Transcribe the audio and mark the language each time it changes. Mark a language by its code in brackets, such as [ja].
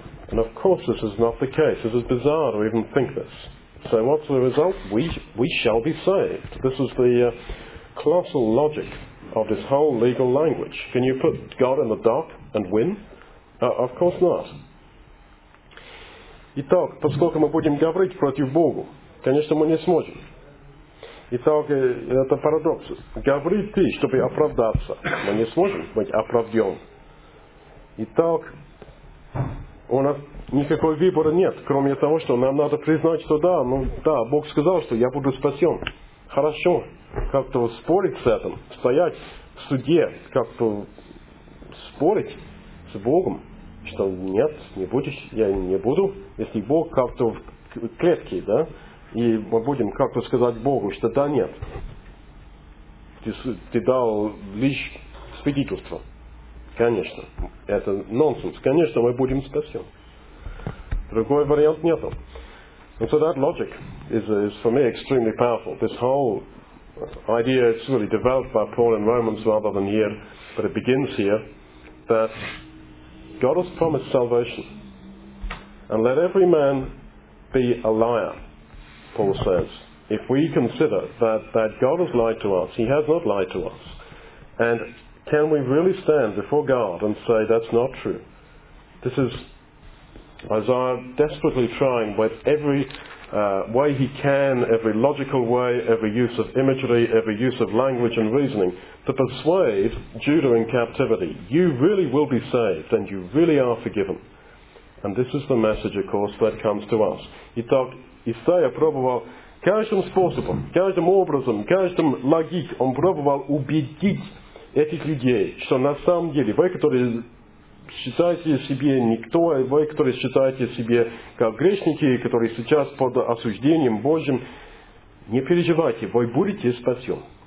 [en] And of course this is not the case. This is bizarre to even think this. So what's the result? We shall be saved. This is the colossal logic of this whole legal language. Can you put God in the dock and win? Of course not. [ru] Итак, поскольку мы будем говорить против Бога, конечно мы не сможем. Итак, это парадокс. Говори ты, чтобы оправдаться. Мы не сможем быть оправдён. Итак, у нас никакого выбора нет, кроме того, что нам надо признать, что да, ну да, Бог сказал, что я буду спасен. Хорошо, как-то спорить с этим, стоять в суде, как-то спорить с Богом, что нет, не будешь, я не буду. Если Бог как-то в клетке, да, и мы будем как-то сказать Богу, что да, нет. Ты дал лишь свидетельство. Конечно, это нонсенс. Конечно, мы будем спасен. Другой вариант нету. [en] And so that logic is for me extremely powerful. This whole idea is really developed by Paul in Romans rather than here, but it begins here, that God has promised salvation. And let every man be a liar. Paul says, if we consider that God has lied to us, he has not lied to us. And can we really stand before God and say that's not true? This is Isaiah desperately trying with every way he can, every logical way, every use of imagery, every use of language and reasoning, to persuade Judah in captivity, you really will be saved and you really are forgiven. And this is the message, of course, that comes to us. [ru] Итак, Исайя пробовал каждым способом, каждым образом, каждым логик, он пробовал убедить этих людей, что на самом деле вы, которые считаете себе никто, вы, которые считаете себе как грешники, которые сейчас под осуждением Божьим, не переживайте, вы будете спасен.